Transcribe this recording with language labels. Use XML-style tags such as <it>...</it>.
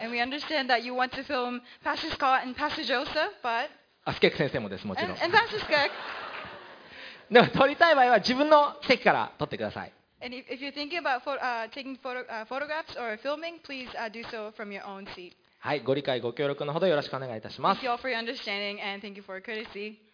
<ja>スケク先生もです、もちろん。</ja> <en>And Pastor Scott and Pastor Joseph.</en> <ja>でも撮りたい場合は自分の席から撮ってください。</ja> <en>And if you're thinking about taking photographs or filming, please do so from your own seat.</en> <ja>はい、ご理解ご協力のほどよろしくお願いいたします。</ja> <en>Thank you all for your understanding and thank you for your courtesy.</en>